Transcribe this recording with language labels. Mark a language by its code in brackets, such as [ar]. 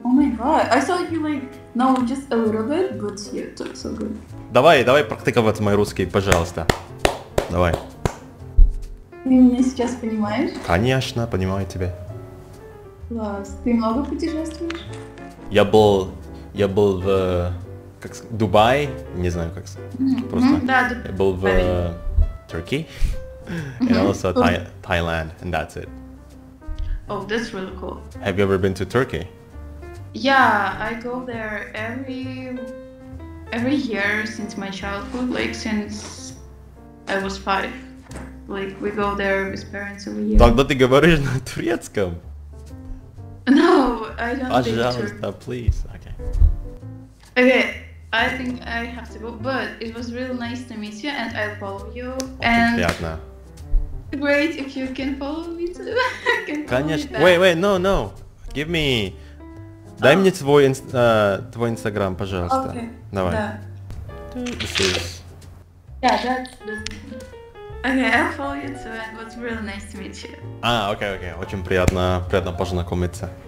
[en] Oh my god, I thought you like, no, just a little bit, but yeah, it's so good. [ru] Давай практиковать мой русский, пожалуйста. Давай. Ты меня сейчас понимаешь? Конечно, понимаю тебя. Класс. Ты много путешествуешь? Я был в... Как сказать? Дубай? Не знаю, как сказать. Mm-hmm. Просто... Да, Дубай. Я был в... [en] Turkey and also Thailand, and that's it. Oh, that's really cool. Have you ever been to Turkey? Yeah, I go there every year since my childhood, like since I was 5. Like, we go there with parents every year. [ru] Тогда ты говоришь на турецком? [en] No, I don't think so. [ru] Пожалуйста, [en] please. Okay. Okay. I think I have to go, but it was really nice to meet you, and I'll follow you. And [ru] приятно. [en] Great if you can follow me too. [ru] Конечно. [en] Wait, no. Give me. [ru] Дай мне твой Instagram, пожалуйста. [en] Okay. [ru] Давай. Да. [en] This is. Yeah, that's. Okay, I'll follow you too, and it was really nice to meet you. Ah, okay. [ru] Очень приятно познакомиться.